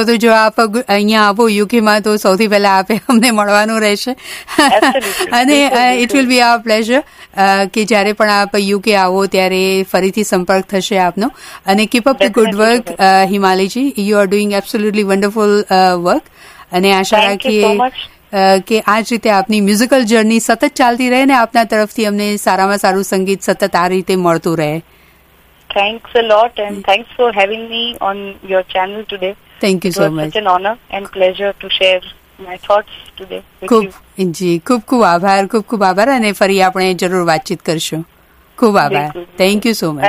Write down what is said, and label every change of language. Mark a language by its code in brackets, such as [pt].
[gu] સૌથી પહેલા આપે અમને મળવાનું રહેશે, અને [en] it will be our pleasure [gu] કે જ્યારે પણ આપ યુકે આવો ત્યારે ફરીથી સંપર્ક થશે આપનો. અને [en] keep up the good work [gu] હિમાલીજી, [en] you are doing absolutely wonderful work, [gu] અને આશા રાખીએ કે આ જ રીતે આપની મ્યુઝિકલ જર્ની સતત ચાલતી રહે ને આપના તરફથી અમને સારામાં સારું સંગીત સતત આ રીતે મળતું રહે. [en] Thanks a lot and thanks for having me on your channel today. Thank you so much. It was such an honor and pleasure to share my thoughts today with you. [gu] જી, ખૂબ ખૂબ આભાર, ખૂબ ખૂબ આભાર, અને ફરી આપણે જરૂર વાતચીત કરશું. ખૂબ આભાર. [en] Thank you so much.